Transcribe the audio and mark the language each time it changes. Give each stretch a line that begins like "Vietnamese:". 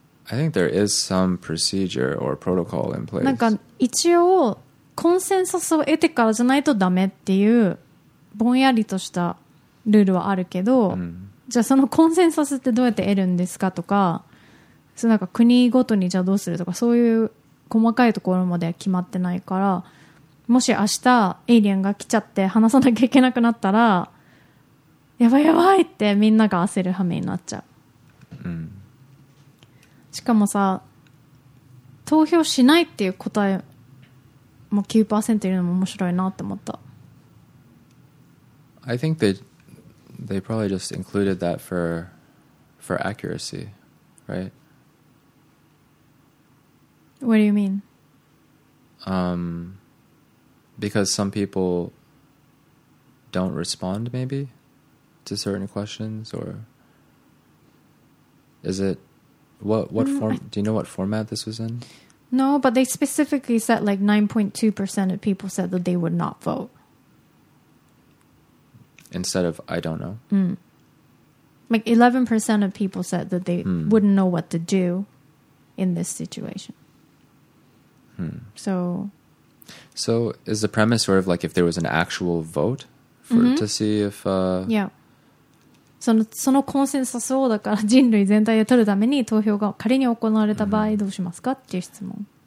English: I think there is some procedure or protocol in place.
Japanese: なんか一応コンセンサスを得てからじゃないとダメっていうぼんやりとしたルールはあるけど、じゃあそのコンセンサスってどうやって得るんですかとか、そのなんか国ごとにじゃあどうするとか、そういう細かいところまでは決まってないから、もし明日エイリアンが来ちゃって話さなきゃいけなくなったら、やばいやばいってみんなが焦る羽目になっちゃう。しかもさ、投票しないっていう答えも 9% いるのも面白いなって思った。
English: I think they probably just included that for accuracy, right? What do you mean? Because some people don't respond maybe to certain questions, or is it what form? Do you know what format this was in? No, but they specifically said like 9.2% of people said that they would not vote. Instead of I don't know. Like 11% of people said that they wouldn't know what to do in this situation. So is the premise sort of like if there was an actual vote for to see if yeah.
Japanese: そのコンセンサスをだから人類全体で取るために投票が仮に行われた場合どうしますかっていう質問。